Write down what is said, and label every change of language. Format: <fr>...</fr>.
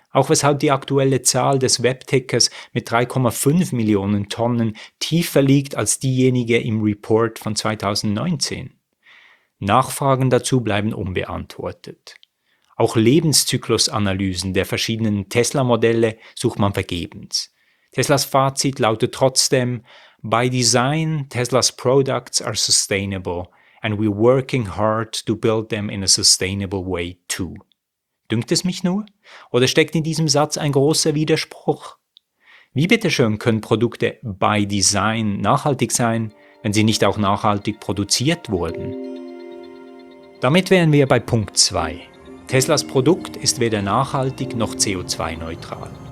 <de>Auch weshalb die aktuelle Zahl des Webtickers mit 3,5 Millionen Tonnen tiefer liegt als diejenige im Report von 2019. Nachfragen dazu bleiben unbeantwortet. Auch Lebenszyklusanalysen der verschiedenen Tesla-Modelle sucht man vergebens. Teslas Fazit lautet trotzdem:</de> <en>By design, Teslas products are sustainable and we're working hard to build them in a sustainable way too.</en> <de>Dünkt es mich nur? Oder steckt in diesem Satz ein großer Widerspruch? Wie bitteschön können Produkte</de> <en>by design</en> <de>nachhaltig sein, wenn sie nicht auch nachhaltig produziert wurden? Damit wären wir bei Punkt 2. Teslas Produkt ist weder nachhaltig noch CO2-neutral.</de>